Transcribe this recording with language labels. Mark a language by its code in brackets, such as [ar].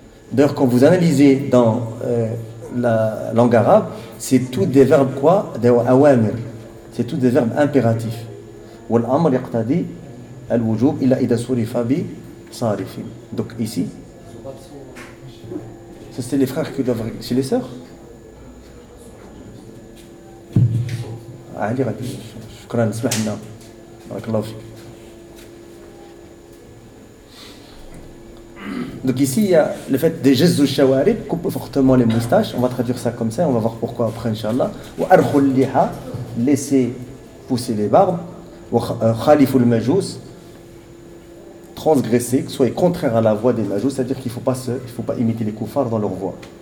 [fr] D'ailleurs, quand vous analysez dans la langue arabe, c'est tout des verbes quoi, des awamir, c'est tout des verbes impératifs. [ar] والامر يقتضي الوجوب الا اذا صرف بصارف. [fr] Donc ici ça c'est les frères qui doivent, c'est les sœurs. [ar] Ali radi شكرا اسمح لنا بارك الله فيك. [fr] Donc ici il y a le fait de [ar] jazz al shawarib, [fr] coupe fortement les moustaches, on va traduire ça comme ça, on va voir pourquoi après inchallah. [ar] Wa arkhul liha, [fr] laisser pousser les barbes. [ar] Wa khaliful majus, [fr] transgresser, que soit contraire à la voix des majus, c'est-à-dire qu'il ne faut, faut pas imiter les koufars dans leur voix.